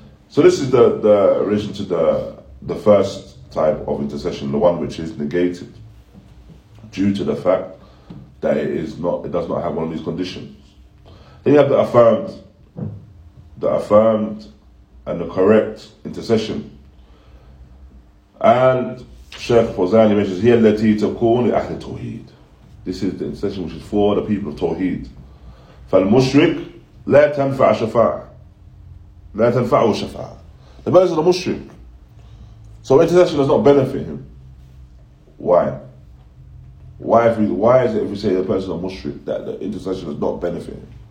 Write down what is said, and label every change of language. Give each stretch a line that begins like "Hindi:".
English: So this is the relation to the first type of intercession, the one which is negated due to the fact that it does not have one of these conditions. Then you have the affirmed and the correct intercession. And Sheikh Fawzan mentions here,
Arabic: التي تكون لأهل التوحيد.
English: This is the intercession which is for the people of Tawheed.
Arabic: فالمشرك لا تنفع شفاعة. لا تنفعه شفاعة.
English: The person is a mushrik. So intercession does not benefit him. Why is it if we say the person is a mushrik that the intercession does not benefit him?